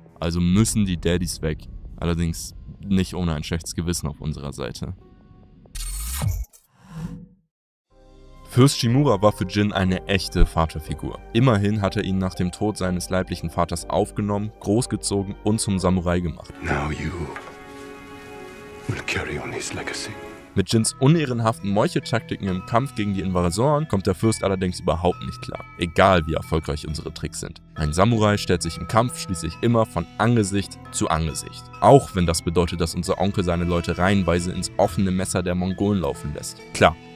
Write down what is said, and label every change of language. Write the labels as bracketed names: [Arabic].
[German] Also müssen die Daddies weg. Allerdings nicht ohne ein schlechtes Gewissen auf unserer Seite. Fürst Shimura war für Jin eine echte Vaterfigur. Immerhin hat er ihn nach dem Tod seines leiblichen Vaters aufgenommen, großgezogen und zum Samurai gemacht. [English] Now you will carry on his legacy. [German] Mit Jins unehrenhaften Meuchetaktiken im Kampf gegen die Invasoren kommt der Fürst allerdings überhaupt nicht klar. Egal wie erfolgreich unsere Tricks sind. Ein Samurai stellt sich im Kampf schließlich immer von Angesicht zu Angesicht. Auch wenn das bedeutet, dass unser Onkel seine Leute reihenweise ins offene Messer der Mongolen laufen lässt. Klar.